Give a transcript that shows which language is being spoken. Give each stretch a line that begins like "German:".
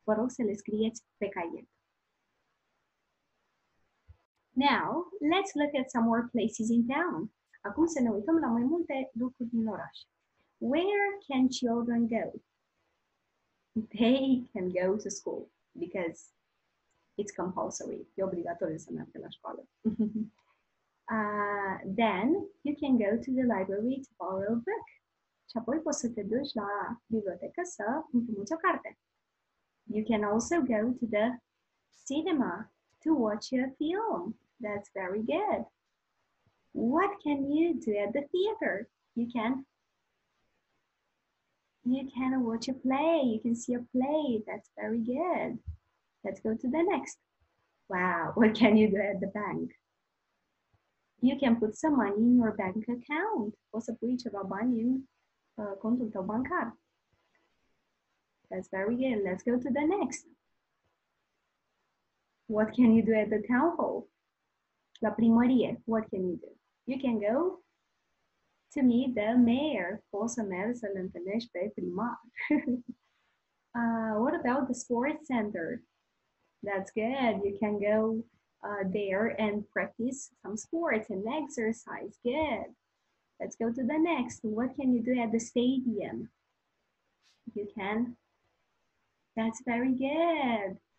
Romanian: Vă rog să le scrieți pe caiet.
English: Now, let's look at some more places in town.
Romanian: Acum să ne uităm la mai multe lucruri din oraș.
English: Where can children go? They can go to school because it's compulsory.
Romanian: E obligatoriu să meargă la școală.
English: Then you can go to the library to borrow a book.
Romanian: Și apoi poți să te duci la bibliotecă să împrumuți o carte.
English: You can also go to the cinema to watch a film. That's very good. What can you do at the theater? You can watch a play. You can see a play. That's very good. Let's go to the next. Wow, what can you do at the bank? You can put some money in your bank account.
Romanian: Poți să pui ceva bani în contul tău bancar.
English: That's very good. Let's go to the next. What can you do at the town hall?
Romanian: La primărie,
English: what can you do? You can go to meet the mayor.
Romanian: Poți să mergi să-l întâlnești pe primar.
English: What about the sports center? That's good. You can go there and practice some sports and exercise. Good. Let's go to the next. What can you do at the stadium? You can. That's very good.